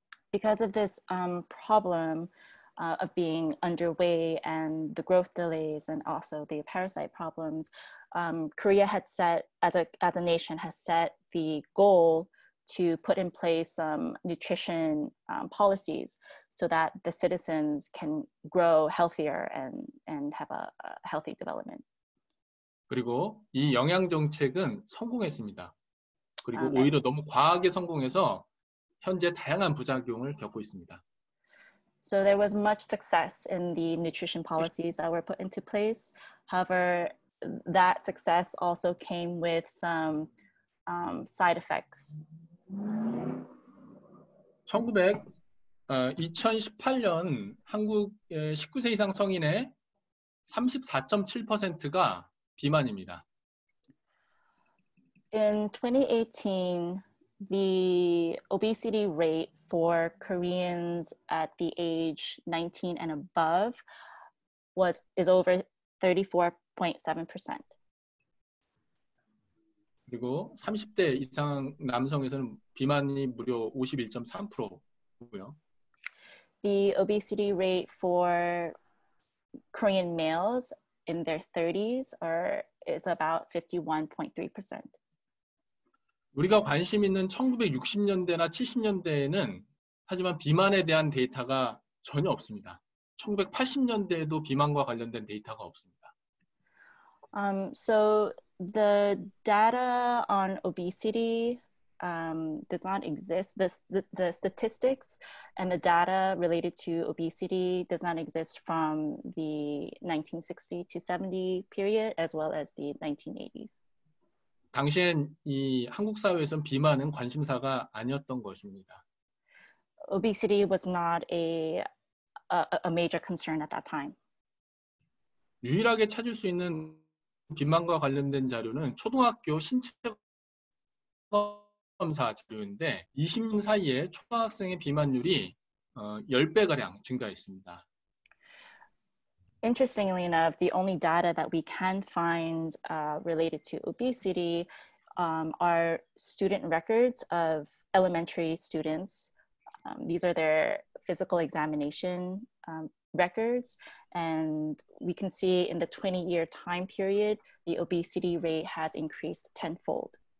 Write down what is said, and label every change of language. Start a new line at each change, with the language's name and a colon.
English: Because of this problem. Of being underway and the growth delays and also the parasite problems, Korea had set, as a nation, has set the goal to put in place some nutrition policies so that the citizens can grow healthier and have a healthy development.
Korean: 그리고 이 영양 정책은 성공했습니다. 그리고 오히려 너무 과하게 성공해서 현재 다양한 부작용을 겪고 있습니다.
English: So there was much success in the nutrition policies that were put into place. However, that success also came with some side effects.
Korean: 2018년 한국의 19세 이상 성인의 34.7%가 비만입니다.
English: In 2018, the obesity rate for Koreans at the age 19 and above is over 34.7%.
Korean: 그리고 30대 이상 남성에서는 비만이 무려 51.3%고요.
English: The obesity rate for Korean males in their 30s is about 51.3%.
Korean: 우리가 관심 있는 1960년대나 70년대에는 하지만 비만에 대한 데이터가 전혀 없습니다. 1980년대에도 비만과 관련된 데이터가 없습니다.
English: So the data on obesity does not exist. The statistics and the data related to obesity does not exist from the 1960 to 70 period as well as the 1980s.
Korean: 당시엔 이 한국 사회에선 비만은 관심사가 아니었던 것입니다.
English: Obesity was not a major concern at that time.
Korean: 유일하게 찾을 수 있는 비만과 관련된 자료는 초등학교 신체검사 자료인데 20년 사이에 초등학생의 비만율이 10배가량 증가했습니다.
English: Interestingly enough, the only data that we can find related to obesity are student records of elementary students. These are their physical examination records, and we can see in the 20-year time period, the obesity rate has increased tenfold.